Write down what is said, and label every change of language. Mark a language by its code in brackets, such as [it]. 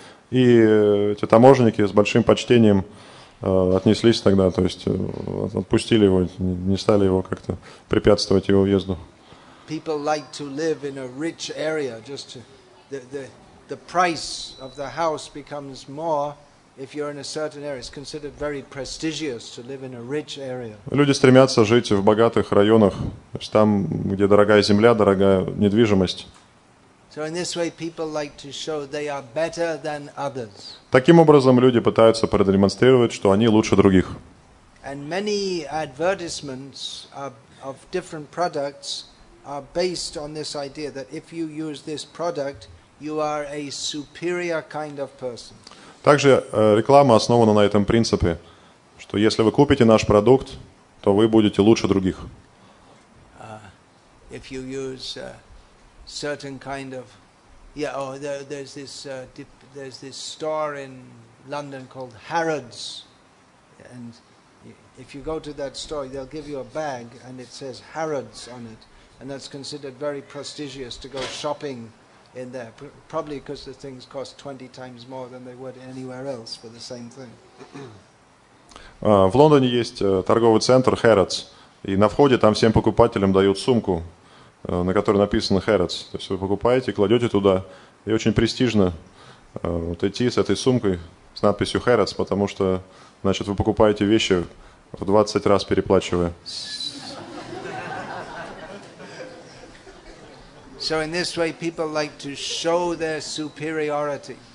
[ru] И эти таможенники с большим почтением отнеслись тогда, то есть отпустили его, не стали его как-то препятствовать его въезду. [en] People like to live in a rich area, just to, the price of the house becomes more if you're in a certain area. It's considered very prestigious to live in a rich area. [ru] Люди стремятся жить в богатых районах, то есть там, где дорогая земля, дорогая недвижимость. [en] So in this way, people like to show they are better than others. [ru] Таким образом, люди пытаются продемонстрировать, что они лучше других. [en] And many advertisements of different products are based on this idea that if you use this product, you are a superior kind of person. [ru] Также реклама основана на этом принципе, что если вы купите наш продукт, то вы будете лучше других. [en] If you use certain kind of, yeah. Oh, there's this store in London called Harrods, and if you go to that store, they'll give you a bag, and it says Harrods on it, and that's considered very prestigious to go shopping in there, probably because the things cost 20 times more than they would anywhere else for the same thing. [ru] В Лондоне есть торговый центр Harrods, и на входе там всем покупателям дают сумку, на которой написано Harrods. То есть вы покупаете, кладете туда, и очень престижно вот идти с этой сумкой с надписью Harrods, потому что, значит, вы покупаете вещи в 20 раз переплачивая. [en] So in this way people like to show their superiority.